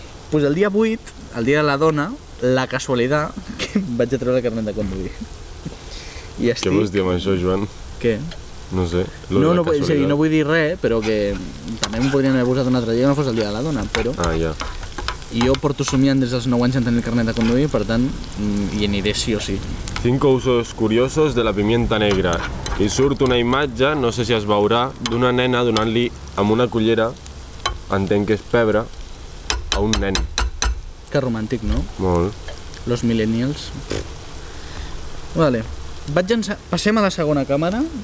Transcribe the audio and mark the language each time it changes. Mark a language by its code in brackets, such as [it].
[ca] Pues el dia 8, el dia de la dona, la casualitat que vaig a treure el carnet de conduir. I estic... Què vols dir amb això, Joan? Què? No sé, no, és a dir, no vull dir res, però que també em podrien haver posat una altra llei que no fos el dia de la dona, però... Ah, ja. Yeah. Jo porto somiant des dels 9 anys en tenir el carnet de conduir, per tant, hi aniré sí o sí. [es] 5 usos curiosos de la pimienta negra. [ca] I surt una imatge, no sé si es veurà, d'una nena donant-li amb una cullera, entenc que és pebre, a un nen. Que romàntic, no? Molt. Los millennials. Vale. Vaig llançar... Passem a la segona càmera.